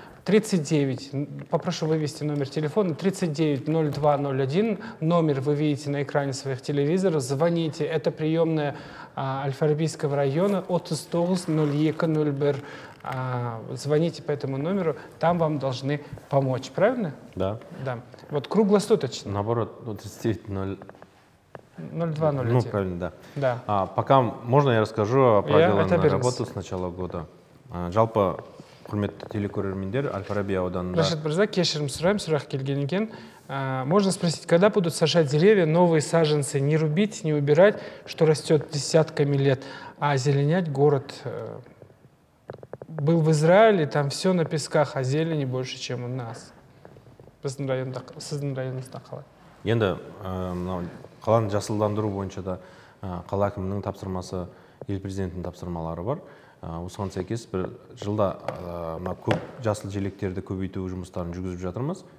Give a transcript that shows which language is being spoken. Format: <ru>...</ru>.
<ru>39, попрошу вывести номер телефона, 390201, номер вы видите на экране своих телевизоров, звоните, это приемная Аль-Фарабийского района, от 100-01-01, звоните по этому номеру, там вам должны помочь, правильно? Да. Да, вот круглосуточно. Наоборот, 39-01. 0201. Ну, правильно, да. Да. Пока можно я расскажу о проделанной работе с начала года?</ru> <kk>Жалпы... Құрметті телекөрермендер, Аль-Фараби ауданында... Рашид Мырза, кешірім сұрайым, сұрақ келген екен.</kk> <ru>Можно спросить, когда будут сажать деревья, новые саженцы не рубить, не убирать, что растет десятками лет, а озеленять город? Был в Израиле, там все на песках, а зелени больше, чем у нас.</ru> <kk>Сіздің районыңызда қалай? Енді қаланы жасылдандыру бойынша да қала әкімінің тапсырмасы, ел президентінің тапсырмалары бар. Осыған сәйкес бір жылда көп жасыл желектерді көбейту жұмыстарын жүргізіп жатырмыз.</kk>